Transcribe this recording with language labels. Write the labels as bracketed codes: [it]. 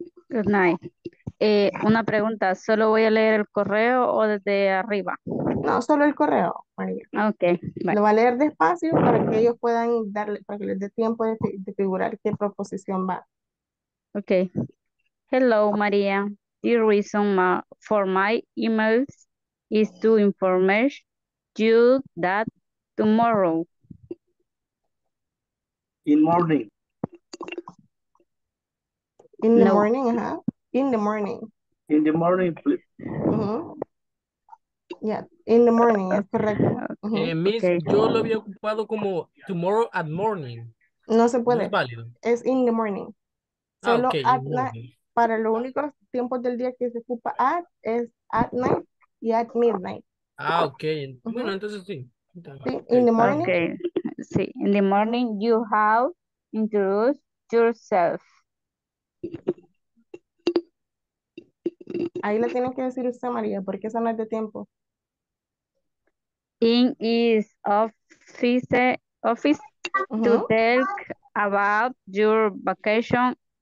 [en] Good night. [es] Una pregunta, ¿solo voy a leer el correo o desde arriba? No, solo el correo, María. Ok. [en] Bye. [es] Lo va a leer despacio para que ellos puedan darle, para que les dé tiempo de figurar qué proposición va. [en] Ok. Hello, María. The reason for my emails is to inform you that tomorrow. In morning. In the morning, ajá. In the morning. In the morning, please. Yeah, in the morning, [es] es correcto. [en] Miss, okay. [es] Yo lo había ocupado como [en] tomorrow at morning. [es] No se puede. No es válido. Es [en] in the morning. [es] Solo okay, [en] at morning. [es] Night. Para los únicos tiempos del día que se ocupa at es at night y at midnight. Ah, ok. Bueno, entonces sí. [en] Sí, in the morning. Okay. Sí, in the morning you have introduced yourself. [es] Ahí la tienen que decir usted, María, porque eso no es de tiempo. [en] In his office to talk about your vacation.